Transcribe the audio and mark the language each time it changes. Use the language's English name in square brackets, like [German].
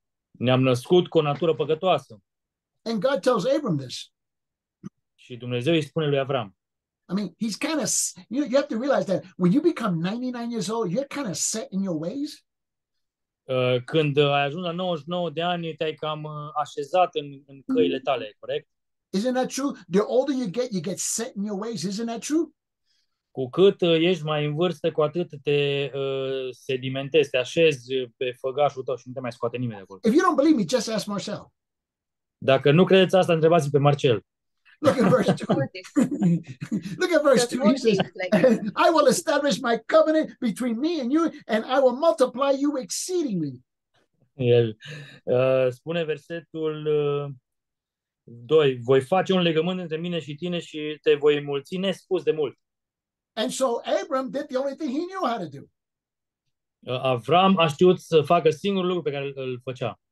[Romanian] Ne-am născut cu o natură păcătoasă. [English] And God tells Abram this. [Romanian] Și Dumnezeu îi spune lui Avram. [English] I mean, he's kind of, you have to realize that when you become 99 years old, you're kind of set in your ways. [Romanian] Când ai ajuns la 99 de ani, te-ai cam așezat în căile tale, corect? [English] Isn't that true? The older you get set in your ways, isn't that true? [Romanian] Cu cât ești mai în vârstă, cu atât te sedimentezi, te așezi pe făgașul tău și nu te mai scoate nimeni de acolo. [English] If you don't believe me, just ask Marcel. [Romanian] Dacă nu credeți asta, întrebați-l pe Marcel. [English] Look at verse 2. Look at verse 2. He says, I will establish my covenant between me and you, and I will multiply you exceedingly. [Romanian] El spune versetul 2. Voi face un legământ între mine și tine și te voi înmulți nespus de mult. [English] And so Abram did the only thing he knew how to do. [Romanian] Avram a știut să facă singurul lucru pe care îl făcea.